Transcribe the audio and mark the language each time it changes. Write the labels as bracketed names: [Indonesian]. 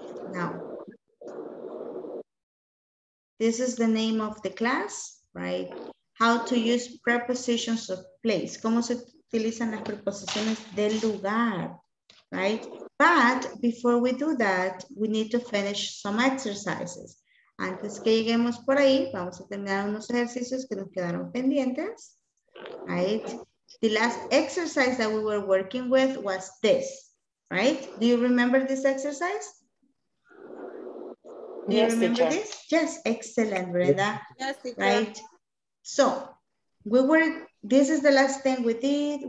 [English] Now, this is the name of the class, right? How to use prepositions of place. [Spanish] ¿Cómo se utilizan las preposiciones del lugar? Right? [English] But before we do that, we need to finish some exercises. [Spanish] Antes que lleguemos por ahí, vamos a terminar unos ejercicios que nos quedaron pendientes. [English] Right? The last exercise that we were working with was this. Right? Do you remember this exercise? Yes, excellent, Brenda. Yes, right? So, this is the last thing we did.